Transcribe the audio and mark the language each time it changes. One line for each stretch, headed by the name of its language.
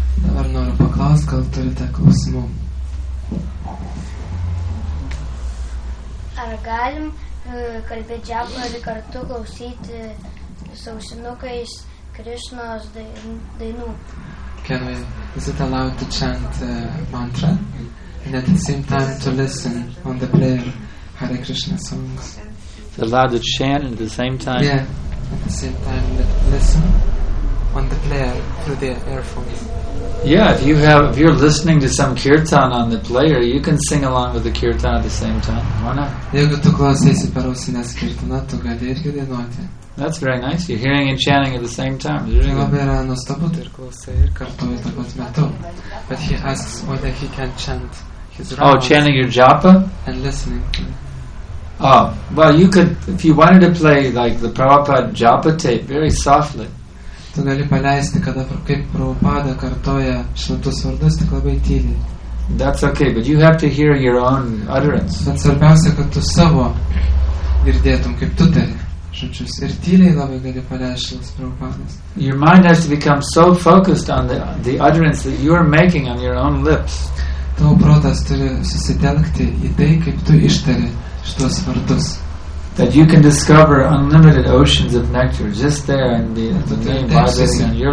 Lithuanian: Dabar noriu paklausti, gal turite klausimų. Ar galim kalbėti džiapą ir kartu klausyti sausinukais Krišnos dainų?
English: Can we, is it allowed to chant mantra? And at the same time to listen on the player Hare Krishna songs? Is it allowed to chant at the same time? Yeah, at the same time listen. on the player through the earphones. Yeah, if you're listening to some kirtan on the player, you can sing along with the kirtan at the same time. Why not?
Lithuanian: Jeigu tu klausiesi per ausines kirtaną, tu gali irgi dainuoti.
English: That's very nice. You're hearing and chanting at the same time. But he asks whether he can chant his Rama. Oh, chanting your japa? And listening. Oh, well, you could, if you wanted to play like the Prabhupada japa tape very softly.
Lithuanian: Tu gali paleisti, kada kaip Prabhupada kartoja šventus vardus, tik labai tyliai.
English: That's okay, but you have to hear your own utterance.
Lithuanian: Bet svarbiausia, kad tu savo girdėtum, kaip tu tari. Ir tyliai labai gali paleisti Prabhupadas.
English: Your mind has to become so focused on the utterance that you are making on your own lips.
Lithuanian: Tavo protas turi susitelkti į tai, kaip tu ištari šitos vardus.
English: That you can discover unlimited oceans of nectar just there in the name vibrating on your